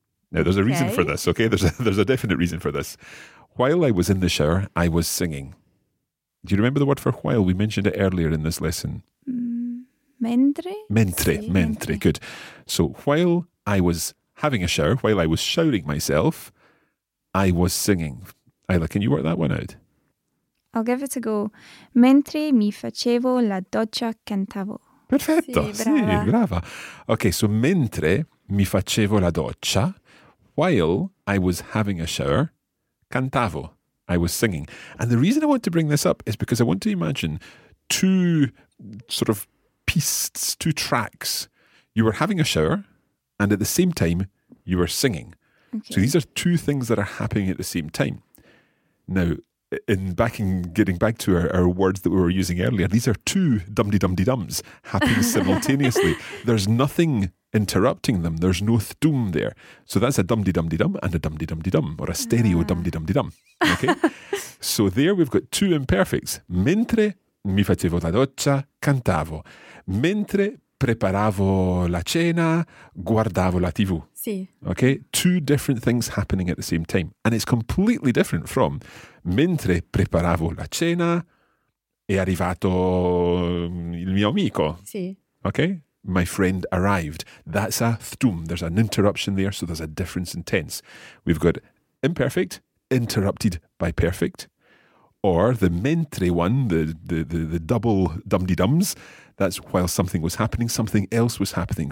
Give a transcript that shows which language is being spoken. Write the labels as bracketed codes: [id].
[en] Now, there's a reason for this, okay? There's a definite reason for this. While I was in the shower, I was singing. Do you remember the word for while? We mentioned it earlier in this lesson. [it] Mentre. [en] Good. So while I was having a shower, while I was showering myself, I was singing. Ayla, can you work that one out? I'll give it a go. [it] Mentre mi facevo la doccia cantavo. Perfetto. Sì, brava. Sì, brava. [en] Okay, so [it] mentre mi facevo la doccia, [en] while I was having a shower, [it] cantavo. [en] I was singing. And the reason I want to bring this up is because I want to imagine two sort of pieces, two tracks. You were having a shower and at the same time you were singing. Okay. So these are two things that are happening at the same time. Now, getting back to our words that we were using earlier, these are two dum-de-dum-de-dums happening simultaneously. There's nothing interrupting them. There's no thdum there. So that's a dum-de-dum-de-dum and a dum-de-dum-de-dum, or a stereo dum-de-dum-de-dum. Okay? So there we've got two imperfects. [it] Mentre mi facevo la doccia, cantavo. Mentre preparavo la cena, guardavo la TV. Sì. [en] Okay? Two different things happening at the same time. And it's completely different from [it] mentre preparavo la cena, è arrivato il mio amico. Sì. [en] Okay? My friend arrived. That's a thtum. There's an interruption there, so there's a difference in tense. We've got imperfect, interrupted by perfect. Or the mentre one, the double dum-de-dums, that's while something was happening, something else was happening.